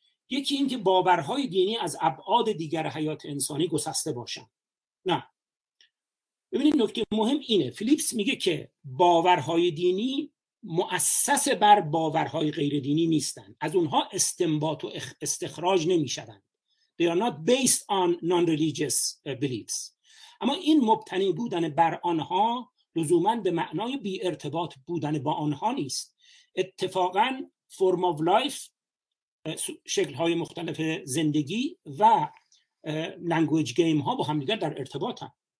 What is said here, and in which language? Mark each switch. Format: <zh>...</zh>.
<fa>یکی این که باورهای دینی از ابعاد دیگر حیات انسانی گسسته باشن. نه. ببینید نکته مهم اینه. فیلیپس میگه که باورهای دینی مؤسس بر باورهای غیر دینی نیستند. از اونها استنباط و استخراج نمیشدن.</fa> <en>They are not based on non-religious beliefs.</en> <fa>اما این مبتنی بودن بر آنها لزوماً به معنای بی ارتباط بودن با آنها نیست. اتفاقاً فرم آف لایف، شکل‌های مختلف زندگی و لنگویج گیم ها با هم دیگر در ارتباط هم.</fa>